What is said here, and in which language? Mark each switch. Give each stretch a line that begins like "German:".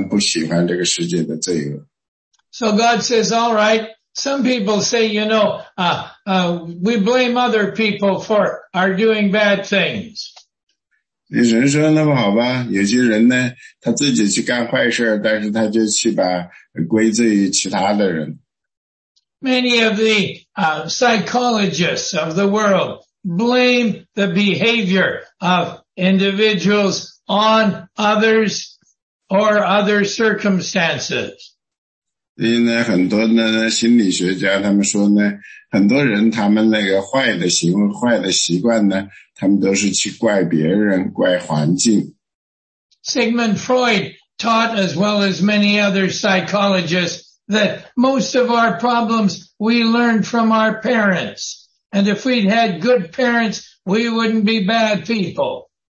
Chinese: 有些人说呢，我们倒是很喜欢那样的事情现在就发生，因为我们不喜欢这个世界的罪恶。
English: So God says, all right, some people say, you know, we blame other people for our doing bad things.
Chinese: 有些人说那么好吧，有些人呢，他自己去干坏事，但是他就去把归罪于其他的人。
English: Many of the psychologists of the world blame the behavior of individuals on others or other circumstances.
Chinese: 因为呢，很多的心理学家他们说呢，很多人他们那个坏的行为、坏的习惯呢，他们都是去怪别人、怪环境。
English: Sigmund Freud taught, as well as many other psychologists, that most of our problems we learned from our parents. And if we'd had good parents, we wouldn't be bad people.